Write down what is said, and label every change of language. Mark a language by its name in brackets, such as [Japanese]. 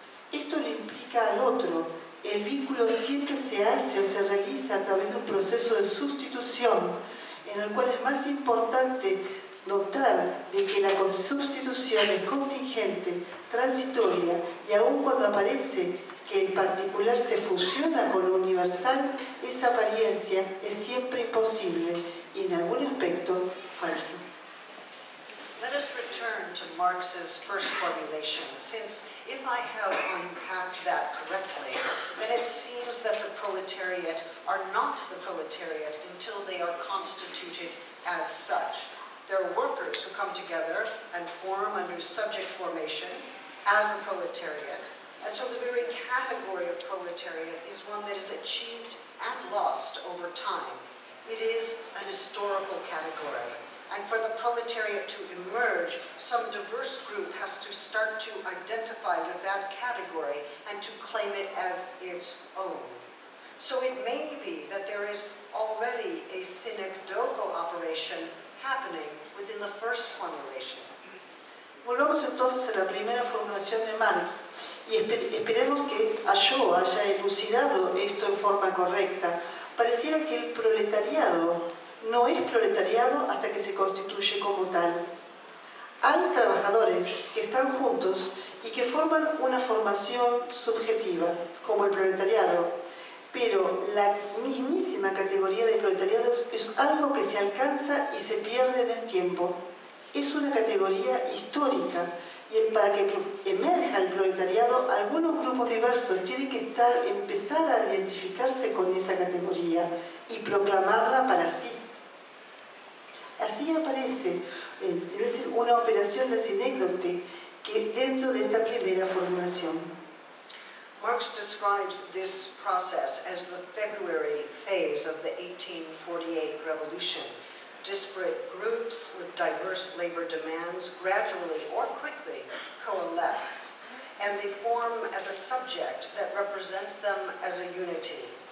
[Spanish] Esto le implica al otro. El vínculo siempre se hace o se realiza a través de un proceso de sustitución, en el cual es más importante notar de que la sustitución es contingente, transitoria, y aun cuando aparece que el particular se fusiona con lo universal, esa apariencia es siempre imposible y en algún aspecto falsa. [English] Let us return to Marx's first formulation, since if I have unpacked that correctly, then it seems that the proletariat are not the proletariat until they are constituted as such. There are workers who come together and form a new subject formation as the proletariat. And so the very category of proletariat is one that is achieved and lost over time. It is an historical category. And for the proletariat to emerge, some diverse group has to start to identify with that category and to claim it as its own. So it may be that there is already a synecdochal operation happening within the first formulation. [Spanish] Volvamos entonces a la primera formulación de Marx y esperemos que Ayo haya elucidado esto en forma correcta. Pareciera que el proletariado no es proletariado hasta que se constituye como tal. Hay trabajadores que están juntos y que forman una formación subjetiva, como el proletariado, pero la mismísima categoría de proletariados es algo que se alcanza y se pierde en el tiempo. Es una categoría histórica, y para que emerja el proletariado, algunos grupos diversos tienen que empezar a identificarse con esa categoría y proclamarla para sí. Así aparece, es decir, una operación de sinécdote que dentro de esta primera formulación. [English] Marx describes this process as the February phase of the 1848 revolution. Disparate groups with diverse labor demands gradually or quickly coalesce, and they form as a subject that represents them as a unity.